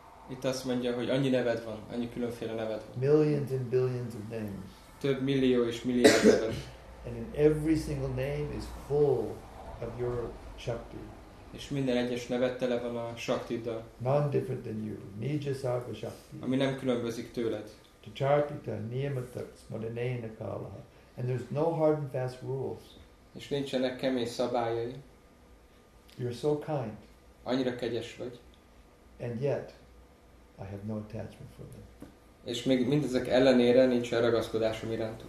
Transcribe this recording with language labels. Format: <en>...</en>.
<hu>Itt azt mondja, hogy annyi neved van, annyi különféle neved van.</hu> <en>Millions and billions of names.</en> <hu>Több millió és milliárd neved.</hu> <en>And in every single name is full of your shakti.</en> <hu>És minden egyes neved tele van a shaktiddal.</hu> <en>None different than you.</en> <sa>Nijasarva shakti.</sa> <hu>Ami nem különbözik tőled.</hu> <sa>Chartita, niyamata, smadaneena kala.</sa> <en>And there's no hard and fast rules.</en> <hu>És nincsenek kemény szabályai.</hu> <en>You're so kind.</en> <hu>Annyira kegyes vagy.</hu> <en>And yet, I have no attachment for them.</en> <hu>És még mindezek ellenére nincs ragaszkodásom irántuk.</hu>